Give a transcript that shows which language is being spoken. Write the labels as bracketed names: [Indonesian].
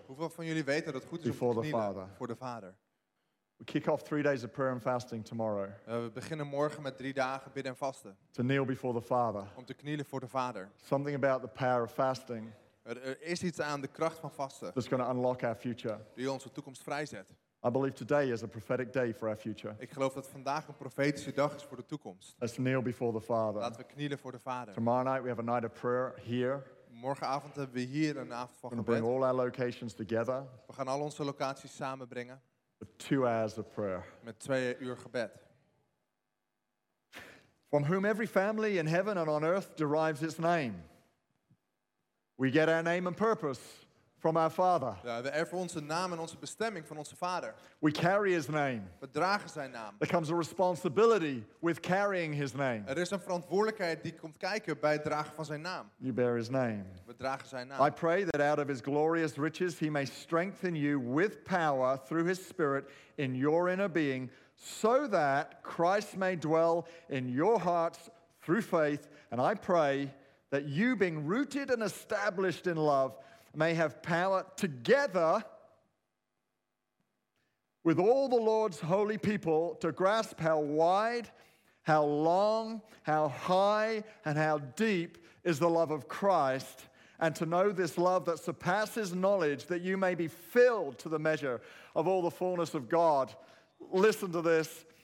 [Dutch] Hoeveel van jullie weten dat het goed is om te knielen voor de Vader? [English] We kick off 3 days of prayer and fasting tomorrow. [Dutch] We beginnen morgen met 3 dagen bidden en vasten. [English] To kneel before the Father. [Dutch] Om te knielen voor de Vader. [English] Something about the power of fasting. [Dutch] Er is iets aan de kracht van vasten. [English] That's going to unlock our future. [Dutch] Die onze toekomst vrijzet. [English] I believe today is a prophetic day for our future. [Dutch] Ik geloof dat vandaag een profetische dag is voor de toekomst. [English] Let's kneel before the Father. [Dutch] Laten we knielen voor de Vader. [English] Tomorrow night we have a night of prayer here. [Dutch] Morgenavond hebben we hier een avond van gebed. [English] We bring all our locations together. [Dutch] We gaan al onze locaties samenbrengen. [English] With 2 hours of prayer. [Dutch] Met 2 uur gebed. [English] From whom every family in heaven and on earth derives its name. We get our name and purpose from our Father. [Dutch] Ja, we erven onze naam en onze bestemming van onze Vader. [English] We carry His name. [Dutch] We dragen zijn naam. [English] There comes a responsibility with carrying His name. [Dutch] Er is een verantwoordelijkheid die komt kijken bij het dragen van zijn naam. [English] You bear His name. [Dutch] We dragen zijn naam. [English] I pray that out of His glorious riches He may strengthen you with power through His Spirit in your inner being, so that Christ may dwell in your hearts through faith. And I pray that you, being rooted and established in love, may have power together with all the Lord's holy people to grasp how wide, how long, how high, and how deep is the love of Christ, and to know this love that surpasses knowledge, that you may be filled to the measure of all the fullness of God. Listen to this.